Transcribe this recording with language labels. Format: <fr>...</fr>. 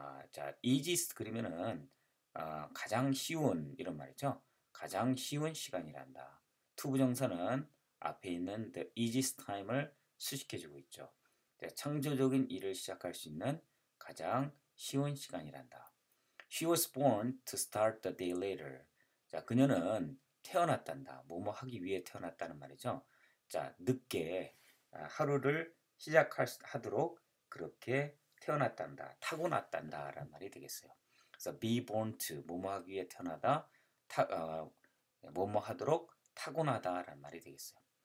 <ko>자, easiest 그러면은 가장 쉬운 이런 말이죠. 가장 쉬운 시간이란다. to 부정사는 앞에 있는</ko> <en>the easiest time</en> <ko>을 수식해주고 있죠. 자, 창조적인 일을 시작할 수 있는 가장 쉬운 시간이란다.</ko> <en>She was born to start the day later.</en> <ko>자, 그녀는 태어났단다. 뭐뭐 하기 위해 태어났다는 말이죠. 자, 늦게 하루를 시작하도록 그렇게 태어났단다, 타고났단다라는 말이 되겠어요. 그래서 be born to 뭐뭐하기 위해 태어나다, 뭐뭐하도록 타고나다라는 말이 되겠어요.</ko>